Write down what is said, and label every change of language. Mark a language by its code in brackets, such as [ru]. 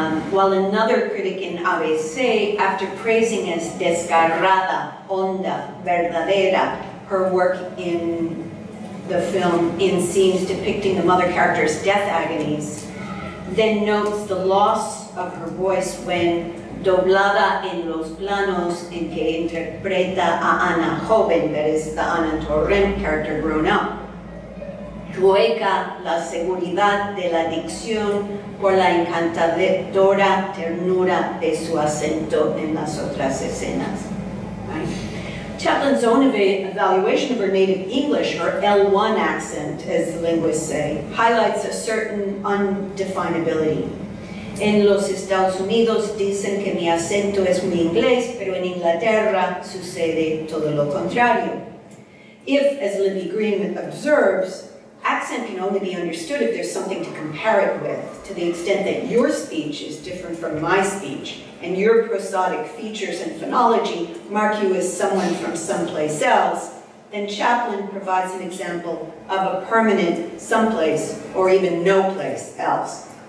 [en] While another critic in ABC, after praising as [es] desgarrada, honda, verdadera, [en] her work in the film in scenes depicting the mother character's death agonies, then notes the loss of her voice when [es] doblada en los planos en que interpreta a Ana joven, [en] that is the Ana Torrent character grown up. [es] Hueca la seguridad de la dicción por la encantadora ternura de su acento en las otras escenas. [en] Right? Chaplin's own evaluation of her native English, or L1 accent, as the linguists say, highlights a certain undefinability. [es] En los Estados Unidos dicen que mi acento es muy inglés, pero en Inglaterra sucede todo lo contrario. [en] If, as Libby Green observes, accent can only be understood if there's something to compare it with, to the extent that your speech is different from my speech, and your prosodic features and phonology mark you as someone from someplace else, then Chaplin provides an example of a permanent someplace or even no place else.